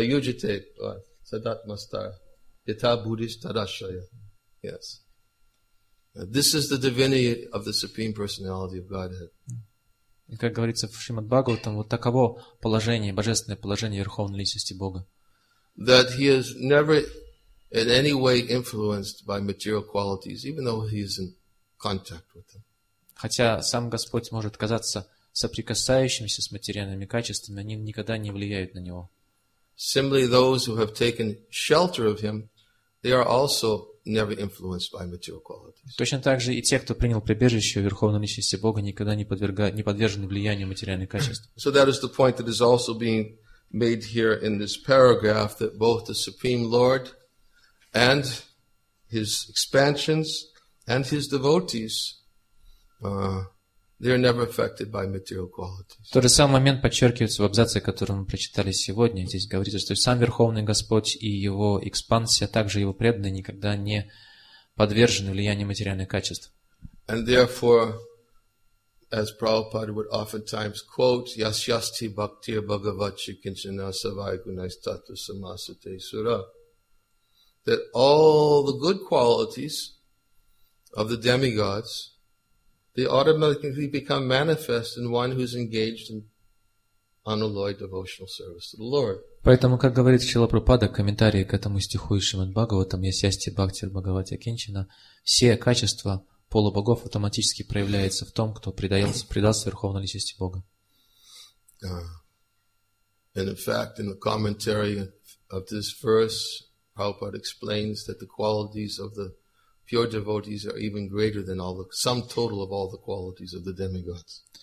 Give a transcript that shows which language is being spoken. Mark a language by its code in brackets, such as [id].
[sa] yujite sadat mastar yata buddhis tadashaya [en] yes this is the divinity of the supreme personality of Godhead. [ru] И как говорится в Шримад Бхагаватам, вот таково положение, божественное положение Верховной Личности Бога. [en] That he is never in any way influenced by material qualities, even though he is in contact with them. [ru] Хотя сам Господь может казаться соприкасающимся с материальными качествами, они никогда не влияют на него. [en] Similarly, those who have taken shelter of him, they are also never influenced by material qualities. [ru] Точно так же и те, кто принял прибежище в Верховной Личности Бога, никогда не подвержены влиянию материальных качеств. [en] So that is the point that is also being made here in this paragraph, that both the Supreme Lord and His expansions and His devotees, they are never affected by material qualities. [ru] Тот же самый момент подчеркивается в абзаце, который мы прочитали сегодня. Здесь говорится, что сам Верховный Господь и Его экспансия, также Его преданные, никогда не подвержены влиянию материальных качеств. [en] And therefore, as Prabhupada would oftentimes quote, [sa] yasyasti bhaktir bhagavachi kinchana savai gunaistattva samasate sura, [en] that all the good qualities of the demigods, they automatically become manifest in one who is engaged in unalloyed devotional service to the Lord. [ru] Поэтому, как говорит Шрила Прабхупада в комментарии к этому стиху из Шримад Бхагаватам, [sa] yasyasti bhaktir bhagavachi kinchana, [ru] все качества полубогов автоматически проявляется в том, кто предался Верховной Личности Бога. [en] And in fact, in the commentary of this verse, Prabhupada explains that the qualities of the pure devotees are even greater than all the sum total of all the qualities of the demigods.